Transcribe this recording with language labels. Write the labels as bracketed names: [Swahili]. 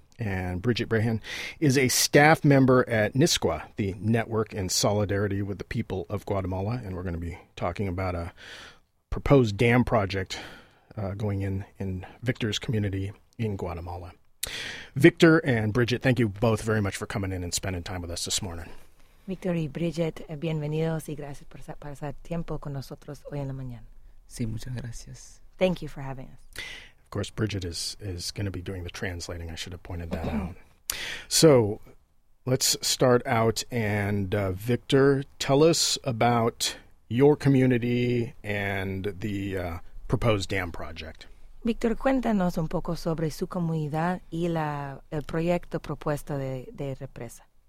[English] And Bridget Brahan is a staff member at NISQA, the Network in Solidarity with the People of Guatemala. And we're going to be talking about a proposed dam project going in Victor's community in Guatemala. Victor and Bridget, thank you both very much for coming in and spending time with us this morning. [Spanish] Victor y Bridget, bienvenidos y gracias por pasar tiempo con nosotros hoy en la mañana. Sí, muchas gracias. [English] Thank you for having us. Of course, Bridget is going to be doing the translating. I should have pointed that out. So let's start out. And Victor, tell us about your community and the proposed dam project. [Spanish] Victor, cuéntanos un poco sobre su comunidad y el proyecto propuesto de represa.